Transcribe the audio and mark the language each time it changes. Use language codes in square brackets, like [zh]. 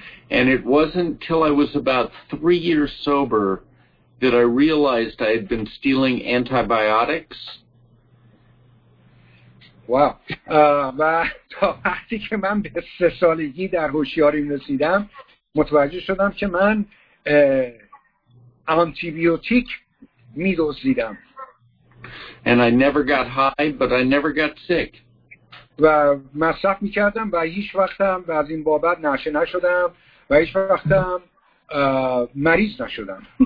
[en] And it wasn't till I was about 3 years sober that I realized I had been stealing antibiotics. Wow. [fa] و تا وقتی که من به 3 سالگی در هوشیاری رسیدم متوجه شدم که من آنتیبیوتیک می‌دزدیدم. [en] And I never got high, but I never got sick. [fa] و مصرف می‌کردم و هیچ وقتم از این بابت نشه نشدم و هیچ وقتم مریض نشدم.